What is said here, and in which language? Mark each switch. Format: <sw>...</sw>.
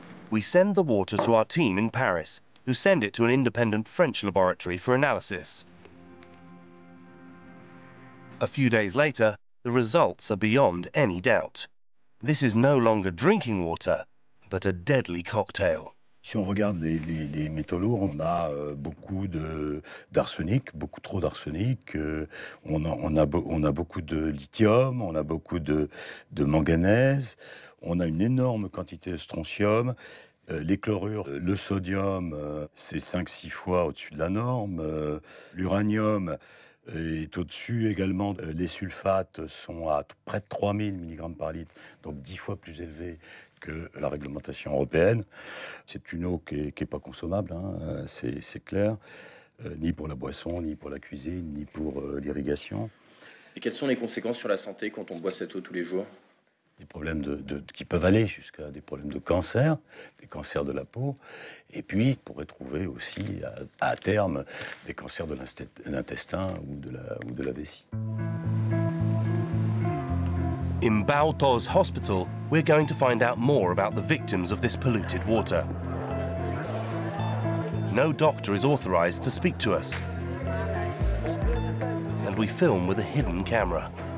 <en>We send the water to our team in Paris, who send it to an independent French laboratory for analysis. A few days later, the results are beyond any doubt. This is no longer drinking water, but a deadly cocktail.</en> <fr>Si on regarde les métaux lourds, on a beaucoup d'arsenic, beaucoup trop d'arsenic. On a beaucoup de lithium, on a beaucoup de manganèse, on a une énorme quantité de strontium. Les chlorures, le sodium, c'est 5-6 fois au-dessus de la norme. L'uranium est au-dessus également. Les sulfates sont à près de 3000 mg par litre, donc 10 fois plus élevé que la réglementation européenne. C'est une eau qui est pas consommable, hein, c'est clair, ni pour la boisson, ni pour la cuisine, ni pour l'irrigation. Et quelles sont les conséquences sur la santé quand on boit cette eau tous les jours? Des problèmes qui peuvent aller jusqu'à des problèmes de cancer, des cancers de la peau, et puis on pourrait trouver aussi à terme des cancers de l'intestin ou de la vessie.</fr> <en>In Bao Tho's hospital, we're going to find out more about the victims of this polluted water. No doctor is authorized to speak to us, and we film with a hidden camera.</en>